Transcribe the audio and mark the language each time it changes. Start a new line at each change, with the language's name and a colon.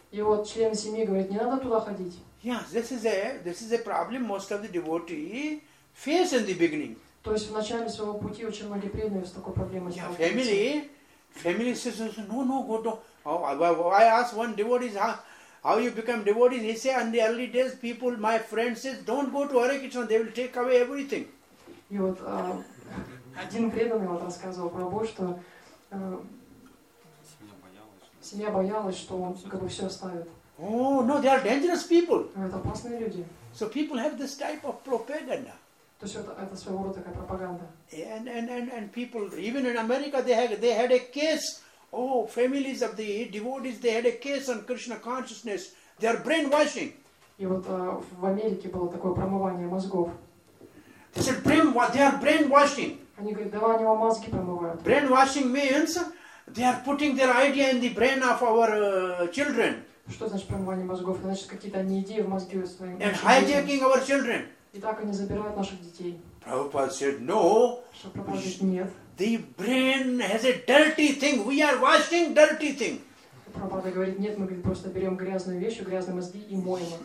Russian: И вот члены семьи говорят, не надо туда ходить.
English: Yeah, this is a problem most of the devotee face in the beginning.
Russian: То есть в начале своего пути очень многие преданные с такой проблемой сталкиваются.
English: Yeah, family says, no, go to. I asked one devotee, how you become devotee? He said, in the early days, people, my friend says, don't go to Hare Krishna, they will take away everything.
Russian: И вот один преданный вот рассказывал про Бога, что семья боялась, что он как бы все оставит.
English: Oh, no, they are dangerous people.
Russian: Это опасные люди.
English: So people have this type of propaganda.
Russian: То есть это своего рода такая пропаганда.
English: And people, even in America, they had a case. Oh, families of the devotees, they had a case on Krishna consciousness. They are brainwashing.
Russian: И вот в Америке было такое промывание мозгов.
English: They said they are brainwashing.
Russian: Они говорят, давай они вам мозги промывают.
English: Brainwashing means they are putting their idea in the brain of our children.
Russian: Что значит промывание мозгов? Это значит какие-то они идеи в мозги у своих детей.
English: And hijacking our children.
Russian: И так они забирают наших детей.
English: Prabhupada said no.
Russian: Что Прабхупада говорит, нет.
English: The brain has a dirty thing. We are washing dirty thing.
Russian: Прабхупада говорит, нет, мы просто берем грязную вещь, грязные мозги и моем.